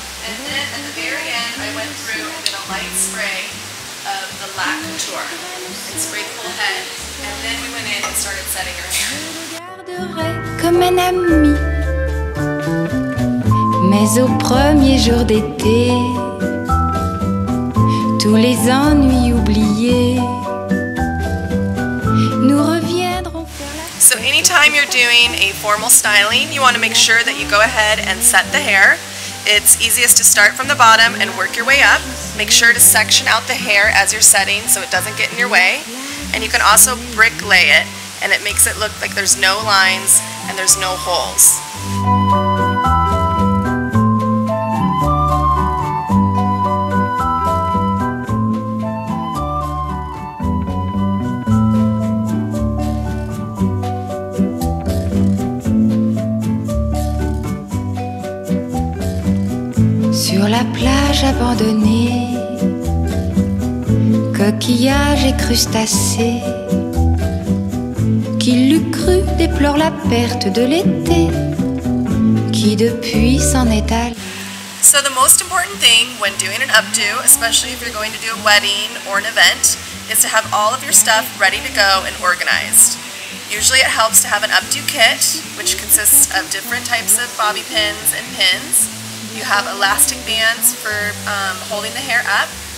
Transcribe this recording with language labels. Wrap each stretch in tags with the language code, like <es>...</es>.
<en>And then at the very end, I went through and did a light spray of the La Couture. I sprayed the whole head, and then we went in and started setting her hair.</en> <fr>Comme un ami, mais au premier jour d'été. Tous les ennuis oubliés, nous reviendrons faire la...</fr> <en>So anytime you're doing a formal styling, you want to make sure that you go ahead and set the hair. It's easiest to start from the bottom and work your way up. Make sure to section out the hair as you're setting so it doesn't get in your way. And you can also brick lay it, and it makes it look like there's no lines and there's no holes.</en> <fr>Sur la plage abandonnée, coquillages et crustacés, qui l'eût cru déplore la perte de l'été, qui depuis s'en est allé.</fr> <en>So the most important thing when doing an updo, especially if you're going to do a wedding or an event, is to have all of your stuff ready to go and organized. Usually it helps to have an updo kit, which consists of different types of bobby pins and pins. You have elastic bands for holding the hair up.</en>